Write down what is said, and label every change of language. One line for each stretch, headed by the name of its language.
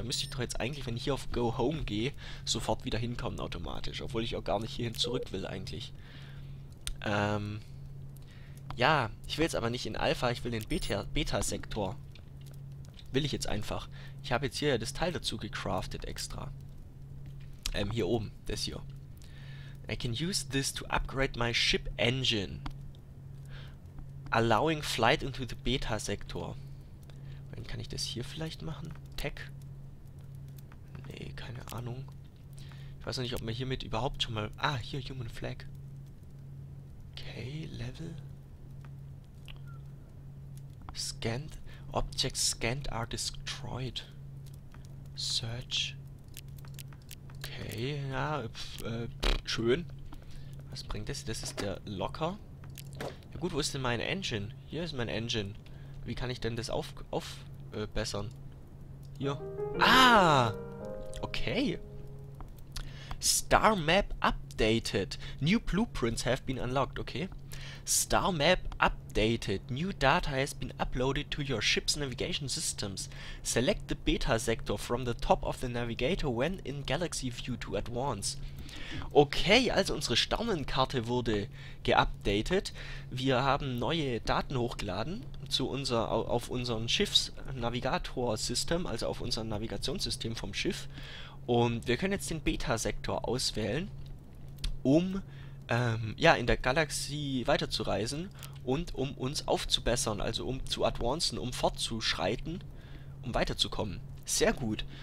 German: Da müsste ich doch jetzt eigentlich, wenn ich hier auf Go Home gehe, sofort wieder hinkommen automatisch. Obwohl ich auch gar nicht hierhin zurück will eigentlich. Ja, ich will jetzt aber nicht in Alpha, ich will in Beta-Sektor. Will ich jetzt einfach. Ich habe jetzt hier das Teil dazu gecraftet extra. Hier oben, das hier.
English: I can use this to upgrade my ship engine. Allowing flight into the Beta-Sektor.
German: Dann kann ich das hier vielleicht machen? Tech? Nee, keine Ahnung. Ich weiß noch nicht, ob man hiermit überhaupt schon mal... Ah, hier, Human Flag. Okay, Level.
English: Scanned. Objects scanned are destroyed.
German: Search. Okay, ja, schön. Was bringt das? Das ist der Locker. Ja gut, wo ist denn mein Engine? Hier ist mein Engine. Wie kann ich denn das aufbessern?
English: Hier. Ah! Okay. Star Map updated. New blueprints have been unlocked. Okay. Star Map updated. New data has been uploaded to your ship's navigation systems. Select the Beta Sector from the top of the navigator when in Galaxy View to advance.
German: Okay, also unsere Sternenkarte wurde geupdatet. Wir haben neue Daten hochgeladen zu auf unserem Schiffsnavigator-System, also auf unserem Navigationssystem vom Schiff. Und wir können jetzt den Beta-Sektor auswählen, um ja, in der Galaxie weiterzureisen und um uns aufzubessern, also um zu advancen, um fortzuschreiten, um weiterzukommen. Sehr gut.